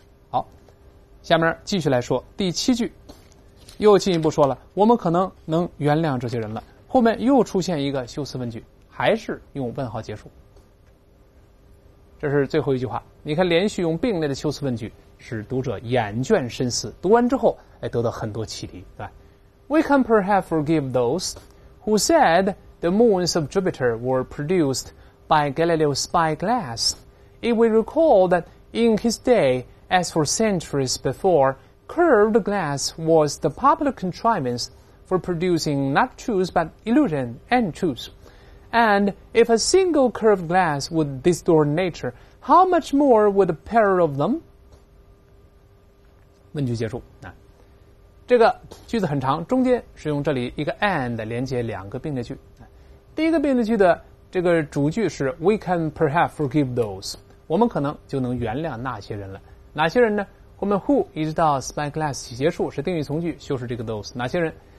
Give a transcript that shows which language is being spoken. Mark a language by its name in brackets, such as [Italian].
[Chinese] 好，下面继续来说第七句，又进一步说了我们可能能原谅这些人了，后面又出现一个修辞问句，还是用问号结束，这是最后一句话，你看连续用并列的修辞问句使读者眼倦深思，读完之后得到很多启迪，对吧？ [English] We can perhaps forgive those who said the moons of Jupiter were produced by Galileo's spyglass if we recall that In his day, as for centuries before, curved glass was the popular contrivance for producing not truth but illusion and truth. And if a single curved glass would distort nature, how much more would a pair of them? [Chinese] 问句结束。这个句子很长，中间使用这里一个 and 连接两个并列句。第一个并列句的这个主句是 [English] We can perhaps forgive those， [Chinese] 我们可能就能原谅那些人了。哪些人呢？后面 who 一直到 spyglass 结束是定语从句，修饰这个 those。哪些人？